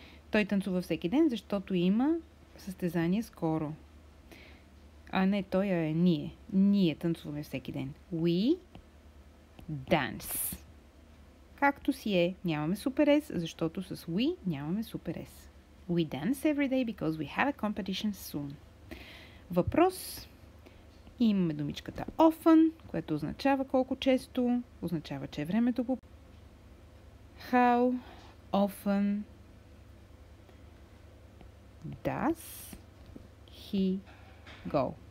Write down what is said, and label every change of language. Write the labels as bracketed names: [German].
[Bulgarian] Той танцува всеки ден, защото има състезание скоро. А не, той е ние. Ние танцуваме всеки ден. [English] We dance. [Bulgarian] Както си е, нямаме супер S, защото с we нямаме супер S. [English] We dance every day because we have a competition soon. [Bulgarian] Въпрос. Имаме думичката often, което означава колко често. Означава, че е времето по... [English] How often does he go?